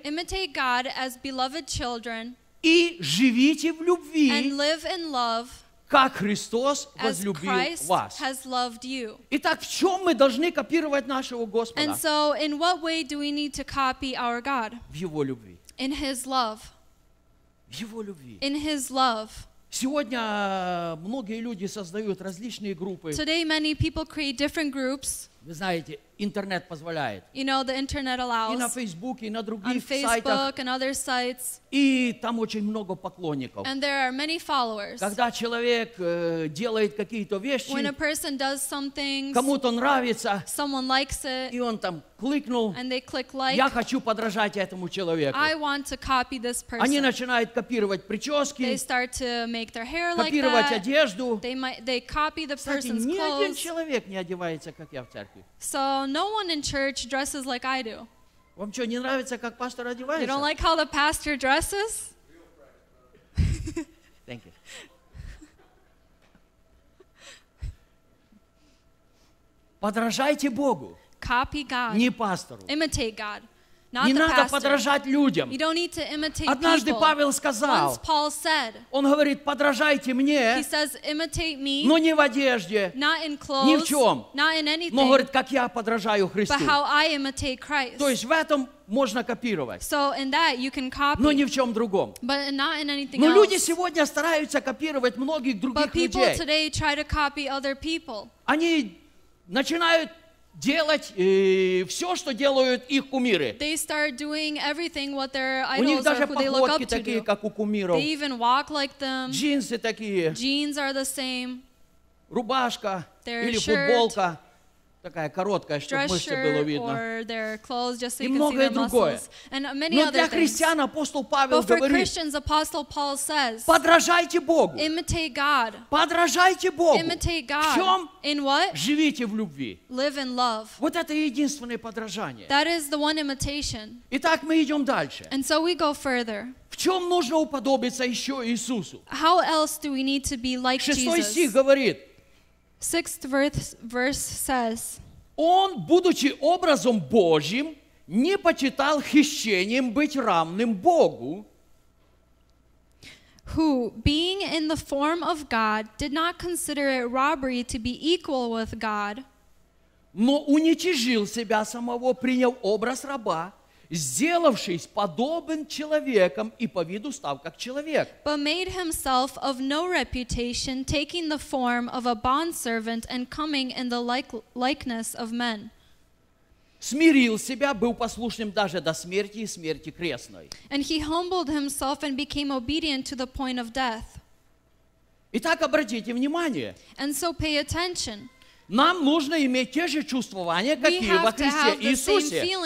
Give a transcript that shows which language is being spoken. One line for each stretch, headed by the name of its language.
English: imitate God as beloved children,
Russian: и живите в любви,
English: and live in love,
Russian: как Христос возлюбил вас.
English: Has loved you.
Russian: Итак, в чем мы должны копировать нашего Господа?
English: And so, in what way do we need to copy our God?
Russian: В Его любви.
English: In His love.
Russian: В Его любви.
English: In His love.
Russian: Сегодня многие люди создают различные группы.
English: Today, many people create different groups.
Russian: Вы знаете, интернет позволяет.
English: You know, the internet allows.
Russian: И на Фейсбуке, и на других сайтах.
English: On Facebook and other sites.
Russian: И там очень много поклонников.
English: And there are many followers.
Russian: Когда человек делает какие-то вещи,
English: when a person does some things,
Russian: кому-то нравится,
English: someone likes it,
Russian: и он там кликнул,
English: and they click like,
Russian: я хочу подражать этому человеку.
English: I want to copy this person.
Russian: Они начинают копировать прически,
English: they start to make their hair like
Russian: копировать
English: that.
Russian: Одежду.
English: They copy the
Russian: Кстати,
English: person's
Russian: ни
English: clothes.
Russian: Один человек не одевается, как я в церкви.
English: So no one in church dresses like I do.
Russian: Вам что, не нравится, как пастор одевается?
English: You don't like how the pastor dresses? Thank you.
Russian: Подражайте Богу.
English: Copy God.
Russian: Не пастору.
English: Imitate God.
Russian: Не надо подражать людям.
English: You don't need to imitate
Russian: Однажды
English: people.
Russian: Павел сказал,
English: Once Paul said,
Russian: он говорит, подражайте мне,
English: he says, imitate me,
Russian: но не в одежде,
English: not in clothes,
Russian: ни в чем,
English: not in anything,
Russian: но говорит, как я подражаю Христу.
English: But how I imitate Christ.
Russian: То есть в этом можно копировать.
English: So in that you can copy,
Russian: но не в чем другом.
English: But not in anything
Russian: но
English: else.
Russian: Люди сегодня стараются копировать многих других
English: but people
Russian: людей.
English: Today try to copy other people.
Russian: Они начинают делать все, что делают их кумиры.
English: They start doing everything what their idols
Russian: у них даже
English: are, who
Russian: походки такие, как у кумиров.
English: They even walk like them.
Russian: Джинсы такие.
English: Jeans are the same.
Russian: Рубашка
English: their
Russian: или
English: shirt,
Russian: футболка такая короткая, чтобы мышцы было видно.
English: Or their clothes, just so
Russian: и многое другое.
English: And many
Russian: Но
English: other
Russian: для христиан апостол Павел
English: But for
Russian: говорит,
English: Christians, Apostle Paul says,
Russian: подражайте Богу.
English: Imitate God.
Russian: Подражайте Богу.
English: Imitate God.
Russian: В чем?
English: In what?
Russian: Живите в любви.
English: Live in love.
Russian: Вот это единственное подражание.
English: That is the one imitation.
Russian: Итак, мы идем дальше.
English: And so we go further.
Russian: В чем нужно уподобиться еще Иисусу?
English: How else do we need to be like Jesus?
Russian: Шестой стих говорит,
English: Sixth verse says,
Russian: Он, будучи образом Божьим, не почитал хищением быть равным Богу.
English: Who, being in the form of God, did not consider it robbery to be equal with God.
Russian: Но уничижил себя самого, приняв образ раба, сделавшись подобен человеком и по виду став как человек.
English: But made himself of no reputation, taking the form of a bondservant and coming in the likeness of men.
Russian: Смирил себя, был послушным даже до смерти и смерти крестной.
English: And he humbled himself and became obedient to the point of death.
Russian: Итак, обратите внимание.
English: And so pay attention.
Russian: Нам нужно иметь те же чувствования, какие во Христе Иисусе.